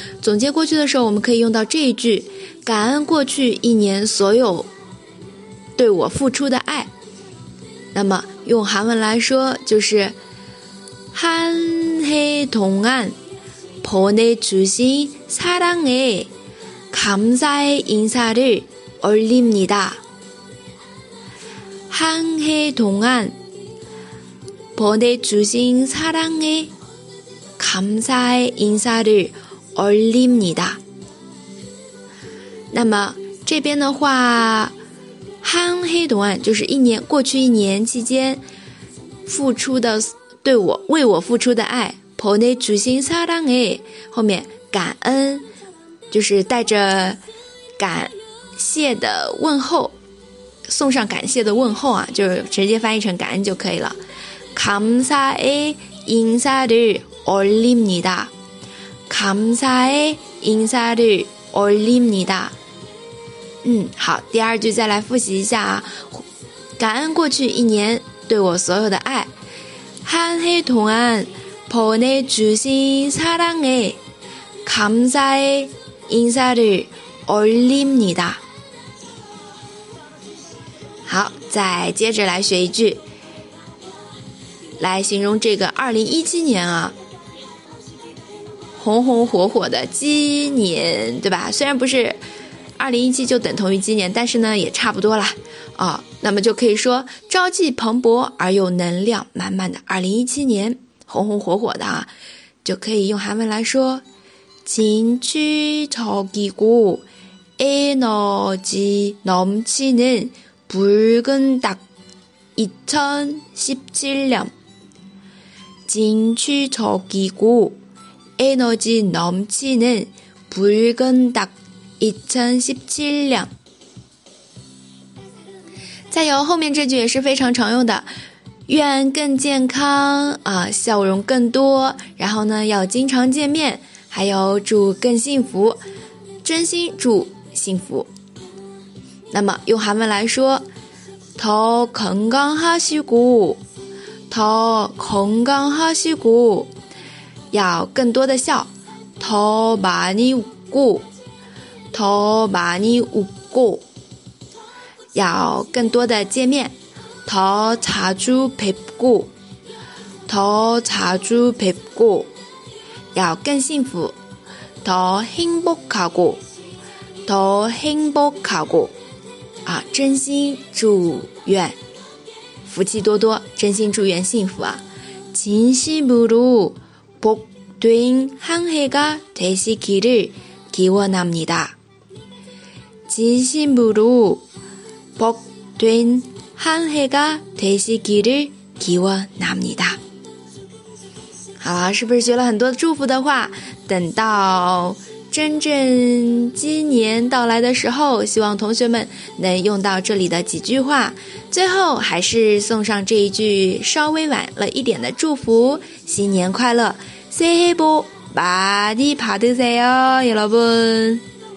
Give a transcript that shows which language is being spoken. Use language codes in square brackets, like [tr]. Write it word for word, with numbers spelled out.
[zh] 总结过去的时候，我们可以用到这一句：感恩过去一年所有对我付出的爱。那么用韩文来说，就是 [ko] 한해동안보내주신사랑에감사의인사를올립니다。 한 해 동안 보내주신 사랑에 감사의 인사를 올립니다。 [zh] 那么这边的话， [ko] 한 해 동안 [zh] 就是一年，过去一年期间付出的，对我为我付出的爱， [ko] 보내주신 사랑에 [zh] 后面感恩，就是带着感谢的问候。送上感谢的问候啊，就是直接翻译成感恩就可以了。 [ko] 감사의인사를올립니다。 감사의인사를올립니다。 [zh] 嗯，好，第二句再来复习一下啊。感恩过去一年对我所有的爱。 [ko] 한해동안보내주신사랑에 감사의인사를올립니다。 [zh] 好，再接着来学一句，来形容这个二零一七年啊，红红火火的鸡年，对吧？虽然不是二零一七就等同于今年，但是呢也差不多了啊、哦。那么就可以说，朝气蓬勃而又能量满满的二零一七年，红红火火的啊，就可以用韩文来说， [ko] 진취적이고 에너지 넘치는 붉은 닭 이천십칠 년 [zh] 진취적이고 에너지 넘치는 붉은 닭 이천십칠 년 再有后面这句也是非常常用的，愿更健康啊、呃，笑容更多，然后呢要经常见面，还有祝更幸福，真心祝幸福。那么用韩文来说， [ko] 더 건강하시고 더 건강하시고 [zh] 要更多的笑， [ko] 더 많이 웃고 더 많이 웃고 [zh] 要更多的见面， [ko] 더 자주 뵙고 더 자주 뵙고 [zh] 要更幸福， [ko] 더 행복하고 더 행복하고 [zh] 啊，真心祝愿福气多多，真心祝愿幸福啊！ [ko] 진심으로 복된 한 해가 되시기를 기원합니다. 진심으로 복된 한 해가 되시기를 기원합니다. [zh] 好了，是不是学了很多祝福的话？等到真正今年到来的时候，希望同学们能用到这里的几句话。最后还是送上这一句稍微晚了一点的祝福，新年快乐， [ko] 새해 복 많이 받으세요，여러분。